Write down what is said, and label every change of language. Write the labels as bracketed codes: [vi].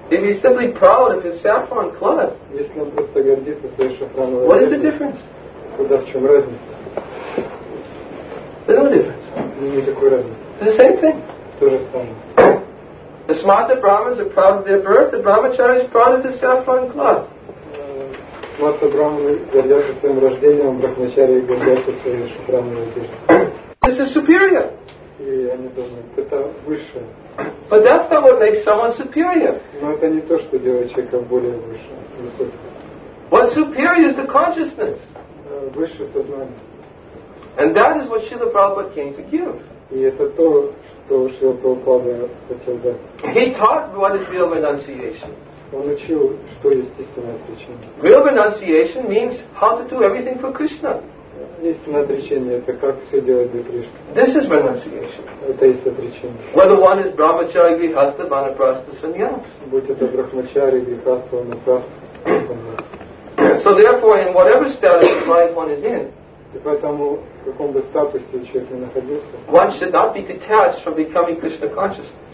[en] if he's simply proud of his saffron cloth, [ru] если он просто гордится своей шафрановой одеждой, [en] what is the difference? [ru] Куда в чем разница? [en] There's no difference. [ru] Никакой разницы. [en] The same thing. [ru] То же самое. [en] The smarter brahmins are proud of their birth. The brahmachari is proud of his saffron cloth. [ru] Смарта Брахманы гордятся своим рождением, брахмачари гордятся своей шафрановой одеждой. [en] This is superior. [ru] И они думают, это высшее. [en] But that's not what makes someone superior. [ru] Но это не то, что делает человека более высшим, высоким. [en] What's superior is the consciousness. [ru] Высшее сознание. [en] And that is what Śrīla Prabhupāda came to give. [ru] И это то, что Śrīla Prabhupāda хотел дать. [en] He taught what is real renunciation. [ru] Он учил, что есть истинное отречение. [en] Real renunciation means how to do everything for Krishna. [ru] Истинное отречение это как все делать для Кришны. [en] This is renunciation. [ru] Это есть отречение. [en] Whether one is brahmachari, grihastha, vanaprastha, sannyas. [ru] Будь это брахмачари, грихастха, ванапрастха, саньяс. [en] So therefore, in whatever status of life one is in, [ru] и поэтому, в каком бы статусе человек ни находился, [en] one should not be detached from becoming Krishna conscious.